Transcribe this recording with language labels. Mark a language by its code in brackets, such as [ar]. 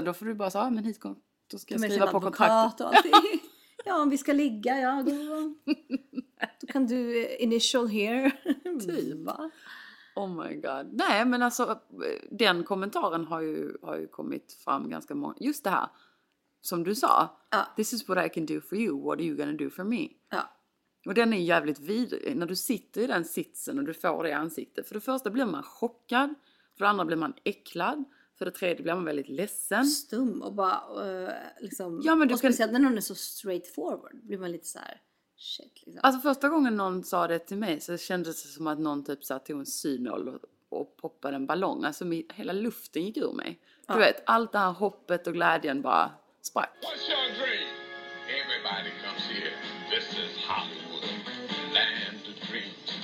[sv] Då får du bara säga, men hit kom, då ska jag skriva på kontrakt. Och ja, om vi ska ligga, ja. Då kan du [en] initial here. Typ. Oh my god. [sv] Nej, men alltså, den kommentaren har ju kommit fram ganska många. Just det här. Som du sa, [en] this is what I can do for you, what are you gonna do for me? [sv] Ja. Och den är jävligt vidrig, när du sitter i den sitsen och du får det i ansiktet. För det första blir man chockad, för det andra blir man äcklad, för det tredje blir man väldigt ledsen. Stum och bara, liksom, ja, men du och speciellt kan... när någon är så straightforward, blir man lite så här, shit liksom. Alltså första gången någon sa det till mig så kändes det som att någon typ satt i en synål och poppade en ballong. Alltså hela luften gick ur mig. Ja. Du vet, allt det här hoppet och glädjen bara... [en] Spark. What's your dream? Everybody comes here. This is Hollywood, land of dreams.